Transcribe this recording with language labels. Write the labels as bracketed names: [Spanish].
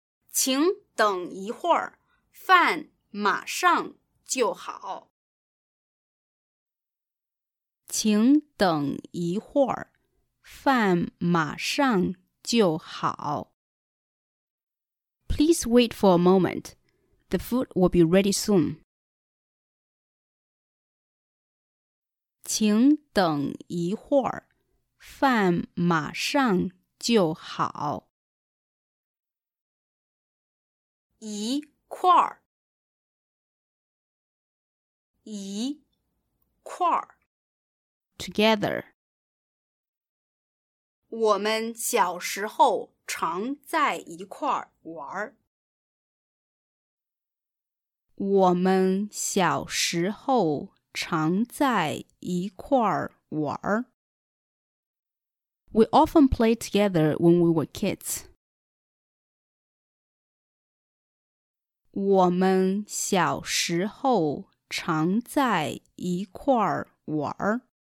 [Chinese] 请等一会儿，饭马上就好。请等一会儿，饭马上就好。 [English] Please wait for a moment. The food will be ready soon. [Chinese] 请等一会儿，饭马上就好。一块儿，一块儿 [English] ，together。 [Chinese] 我们小时候常在一块儿玩。我们小时候常在一块儿玩。 [English] We often played together when we were kids. [Chinese] 我们小时候常在一块儿玩儿。